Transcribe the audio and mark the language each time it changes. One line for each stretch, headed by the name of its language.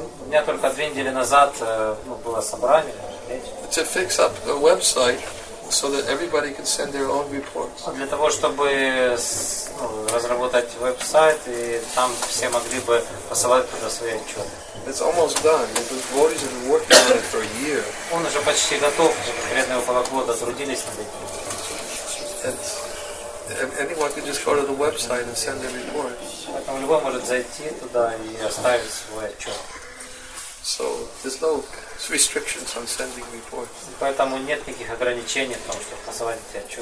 Russian: У меня только две недели назад было собрание.
English: To fix up a website so that everybody can send their own reports.
Russian: Для того, чтобы разработать веб-сайт, и там все могли бы посылать туда свои отчеты.
English: It's almost done. The devotees have been working on it for a year.
Russian: Он уже почти готов, примерно около года трудились над этим.
English: Anyone can just go to the website and send their report.
Russian: Поэтому любой может зайти туда и оставить свой отчет.
English: So there's no restrictions on sending reports.
Russian: Поэтому нет никаких ограничений в том, чтобы посылать эти отчеты.